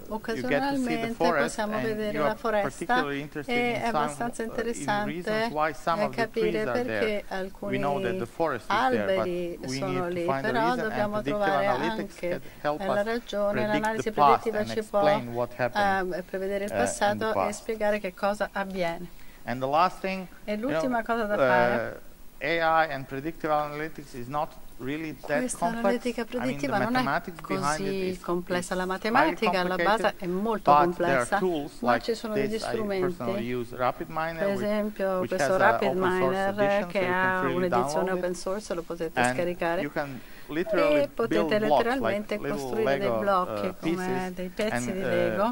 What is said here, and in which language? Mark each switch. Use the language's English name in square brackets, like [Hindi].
[Italian] Occasionalmente possiamo vedere la foresta e è abbastanza interessante capire perché alcuni alberi sono lì, però dobbiamo trovare anche la ragione. L'analisi predittiva ci può prevedere il passato e spiegare che cosa avviene. E l'ultima cosa da fare. [English] AI and predictive analytics is not really that [Italian] questa [English] complex. [Italian] Questa analitica predittiva, [English] I mean, [Italian] non è così complessa. La matematica alla base è molto complessa, ma ci sono degli strumenti. Per esempio, questo RapidMiner, che ha un'edizione open source, lo potete scaricare. E potete letteralmente costruire dei blocchi come dei pezzi di Lego.